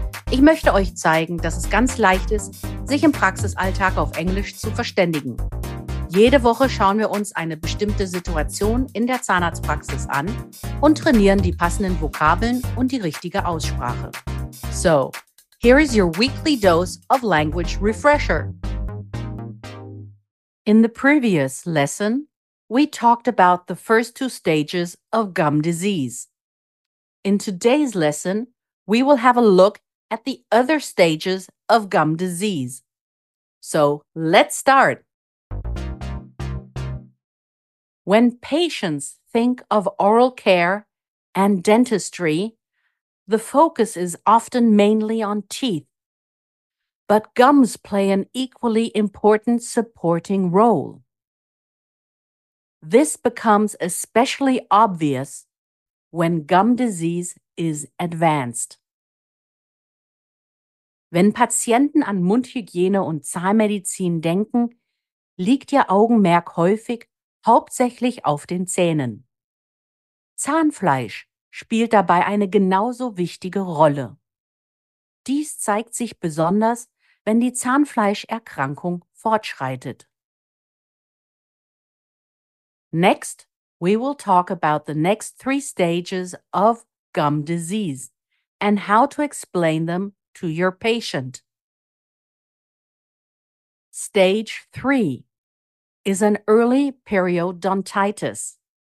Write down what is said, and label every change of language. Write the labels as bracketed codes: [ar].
[de] Ich möchte euch zeigen, dass es ganz leicht ist, sich im Praxisalltag auf Englisch zu verständigen. Jede Woche schauen wir uns eine bestimmte Situation in der Zahnarztpraxis an und trainieren die passenden Vokabeln und die richtige Aussprache. [en] So, here is your weekly dose of language refresher. In the previous lesson, we talked about the first two stages of gum disease. In today's lesson, we will have a look at the other stages of gum disease. So, let's start! When patients think of oral care and dentistry, the focus is often mainly on teeth. But gums play an equally important supporting role. This becomes especially obvious when gum disease is advanced. [de] Wenn Patienten an Mundhygiene und Zahnmedizin denken, liegt ihr Augenmerk häufig hauptsächlich auf den Zähnen. Zahnfleisch spielt dabei eine genauso wichtige Rolle. Dies zeigt sich besonders, wenn die Zahnfleischerkrankung fortschreitet. [en] Next, we will talk about the next three stages of gum disease and how to explain them to your patient. Stage 3 is an early periodontitis.